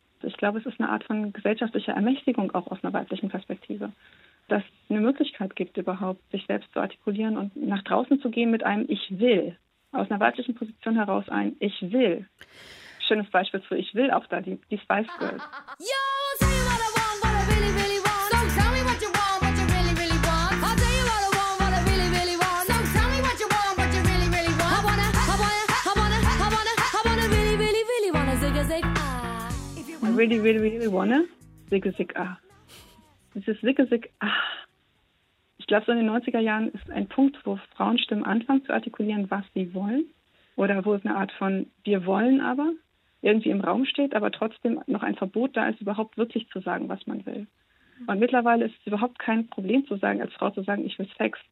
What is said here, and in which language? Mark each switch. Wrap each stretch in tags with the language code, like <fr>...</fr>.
<de>Ich glaube, es ist eine Art von gesellschaftlicher Ermächtigung auch aus einer weiblichen Perspektive. Dass es eine Möglichkeit gibt, überhaupt sich selbst zu artikulieren und nach draußen zu gehen mit einem Ich will. Aus einer weiblichen Position heraus ein Ich will. Schönes Beispiel für Ich will auch da, die Spice Girls.</de> <en>Yo, tell me what I want, what I really, really want. Don't tell me what you want, what you really, really want. I'll tell you what I want, what I really, really want. Don't tell me what you want, what you really, really want. I wanna really, really, really wanna zigga zig ah. I really, really, really wanna zigga zig ah.</en> <de>Dieses Sicke-Sick, ach, ich glaube, so in den 90er Jahren ist ein Punkt, wo Frauenstimmen anfangen zu artikulieren, was sie wollen. Oder wo es eine Art von wir wollen aber irgendwie im Raum steht, aber trotzdem noch ein Verbot da ist, überhaupt wirklich zu sagen, was man will. Und mittlerweile ist es überhaupt kein Problem zu sagen, als Frau zu sagen, ich will Sex.</de>